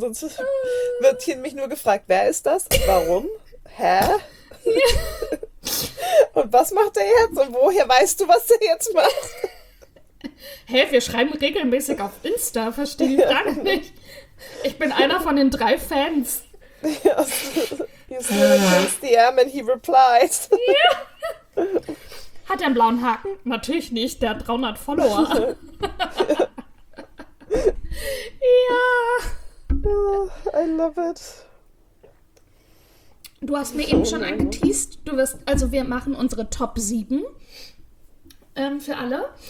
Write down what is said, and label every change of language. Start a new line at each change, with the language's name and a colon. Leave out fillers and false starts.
German: Sonst wird hier mich nur gefragt, wer ist das? Warum? Hä? Ja. Und was macht er jetzt? Und woher weißt du, was er jetzt macht? Hä? Wir schreiben regelmäßig auf Insta, verstehe ich gar nicht. Ich bin einer von den 3 Fans.
English: Yes. He's really close to the DM and he replies.
German: Ja. Hat er einen blauen Haken? Natürlich nicht, der hat 300 Follower. Ja. Ja.
English: Oh, I love it.
German: Du hast mir eben schon angeteased. Du wirst, also wir machen unsere Top 7 für alle.